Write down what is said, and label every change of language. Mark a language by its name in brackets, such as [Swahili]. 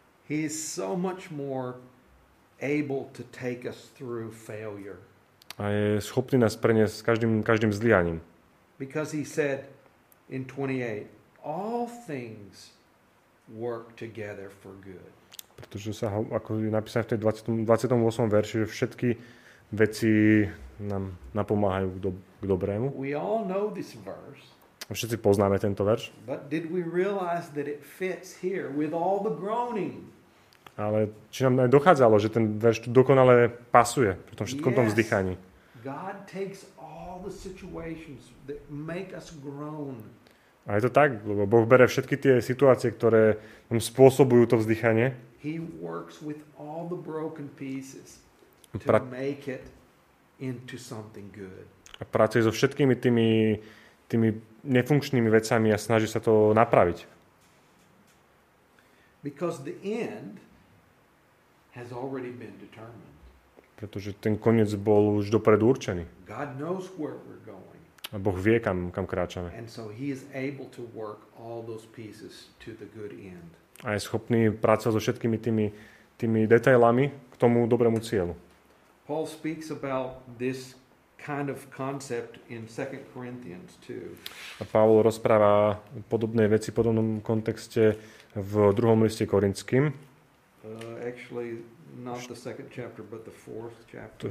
[English] He is so much more able to take us through failure. [Slovak] A je schopný nás preniesť každým zlyhaním. [English] Because he said in 28, all things work together for good. [Slovak] Pretože sa ako je napísané v tej 28. verši, že všetky veci nám napomáhajú k dobrému. [English] We all know this verse. [Slovak] Všetci poznáme tento verš. [English] But did we realize that it fits here with all the groaning? [Slovak] Ale či nám aj dochádzalo, že ten verš tu dokonale pasuje pri tom všetkom tom vzdychaní. [English] God takes all the situations that make us groan. [Slovak] A je to tak, lebo Boh bere všetky tie situácie, ktoré nám spôsobujú to vzdychanie. [English] He works with all the broken pieces to make it into something good. [Slovak] A pracuje so všetkými tými nefunkčnými vecami a snaží sa to napraviť. [English] Because the end has already been determined. [Slovak] Pretože ten koniec bol už dopredu určený. [English] God knows where we're going. [Slovak] A Boh vie, kam kráčame. [English] And so he is able to work all those pieces to the good end. [Slovak] A je schopný pracovať so všetkými tými detailami k tomu dobrému cieľu. [English] Paul speaks about this kind of concept in 2 Corinthians 2. [Slovak] A Pavol rozpráva podobné veci v podobnom kontexte v 2. liste Korinským. [English] Actually not the second chapter but the fourth chapter.